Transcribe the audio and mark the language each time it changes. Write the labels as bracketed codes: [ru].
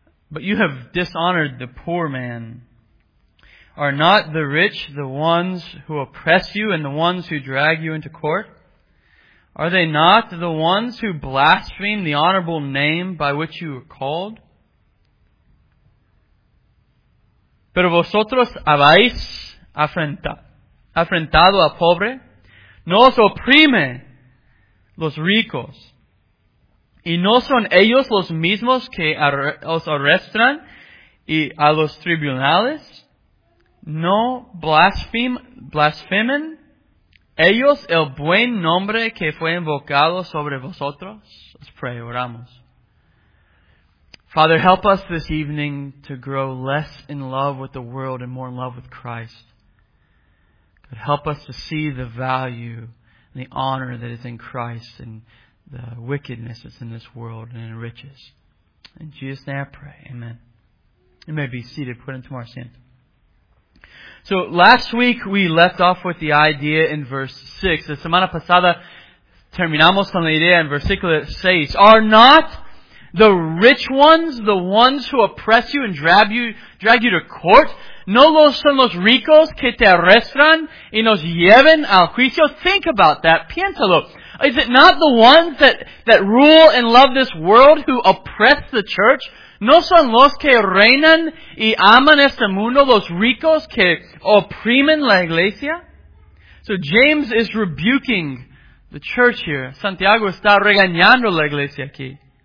[en] But you have dishonored the poor man. Are not the rich the ones who oppress you and the ones who drag you into court? Are they not the ones who blaspheme the honorable name by which you are called? [es] Pero vosotros habéis afrentado al pobre, no os oprime los ricos, y no son ellos los mismos que os arrestan y a los tribunales, no blasfemen ellos el buen nombre que fue invocado sobre vosotros. Os pray, oramos. [en] Father, help us this evening to grow less in love with the world and more in love with Christ. God, help us to see the value and the honor that is in Christ and the wickedness that's in this world and in riches. In Jesus' name I pray. Amen. You may be seated. Put into our sins. So last week we left off with the idea in verse 6. [es] La semana pasada terminamos con la idea en versículo 6. [en] Are not the rich ones, the ones who oppress you and drag you to court, [es] no los son los ricos que te arrestan y nos lleven al juicio. [en] Think about that. [es] Piénsalo. [en] Is it not the ones that rule and love this world who oppress the church? [es] No son los que reinan y aman este mundo, los ricos que oprimen la iglesia? [en] So James is rebuking the church here. [es] Santiago está regañando la iglesia aquí.